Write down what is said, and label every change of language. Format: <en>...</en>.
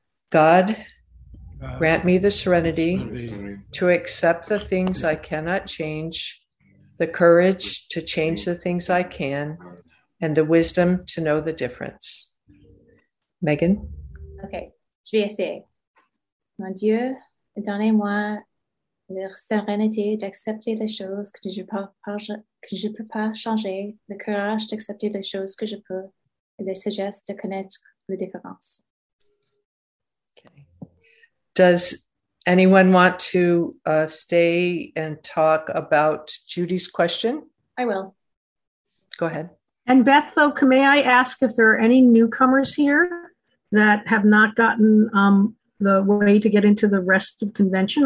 <en>God, grant me the serenity to accept the things I cannot change, the courage to change the things I can, and the wisdom to know the difference. Megan?</en> <fr>Okay, je vais essayer. Mon Dieu, donnez-moi la sérénité d'accepter les choses que je peux pas changer, le courage d'accepter les choses que je peux, et la sagesse de connaître les différences.</fr> <en>Okay. Does anyone want to stay and talk about Judy's question? I will. Go ahead. And Beth, though, may I ask if there are any newcomers here that have not gotten the way to get into the rest of convention?</en>